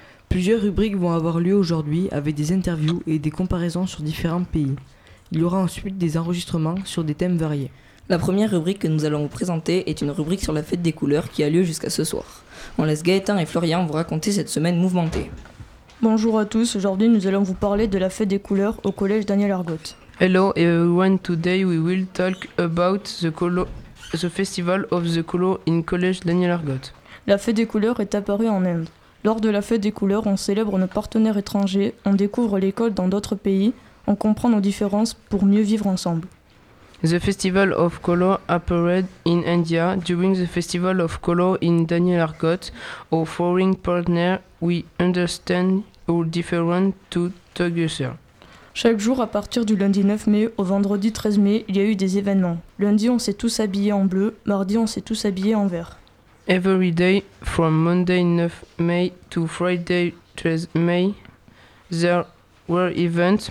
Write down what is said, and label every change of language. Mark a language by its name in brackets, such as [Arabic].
[French] Plusieurs rubriques vont avoir lieu aujourd'hui avec des interviews et des comparaisons sur différents pays. Il y aura ensuite des enregistrements sur des thèmes variés. La première rubrique que nous allons vous présenter est une rubrique sur la fête des couleurs qui a lieu jusqu'à ce soir. On laisse Gaëtan et Florian vous raconter cette semaine mouvementée. Bonjour à tous, aujourd'hui nous allons vous parler de la fête des couleurs au collège Daniel Argot. [English] Hello everyone, today we will talk about the festival of the color in college Daniel Argot. [French] La fête des couleurs est apparue en Inde. Lors de la fête des couleurs, on célèbre nos partenaires étrangers, on découvre l'école dans d'autres pays, on comprend nos différences pour mieux vivre ensemble. [English] The Festival of Color appeared in India during the Festival of Color in Daniel Argot, our foreign partner, we understand our difference to together. [French] Chaque jour, à partir du lundi 9 mai au vendredi 13 mai, il y a eu des événements. Lundi, on s'est tous habillés en bleu, mardi, on s'est tous habillés en vert. [English] Every day, from Monday 9 May to Friday 13 May, there were events.